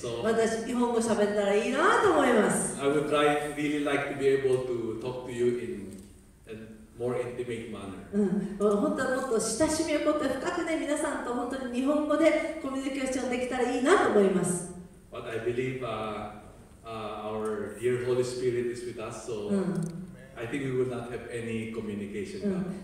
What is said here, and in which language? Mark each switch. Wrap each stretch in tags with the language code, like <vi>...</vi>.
<en>I would really like to be able to talk to you in more intimate manner.</en> <ja>うん、本当はもっと親しみを持って深くね、皆さんと本当に日本語でコミュニケーションできたらいいなと思います。</ja> <en>But I believe our dear Holy Spirit is with us, so、</en> <ja>うん、</ja> <en>I think we will not have any communication.、うん、</en>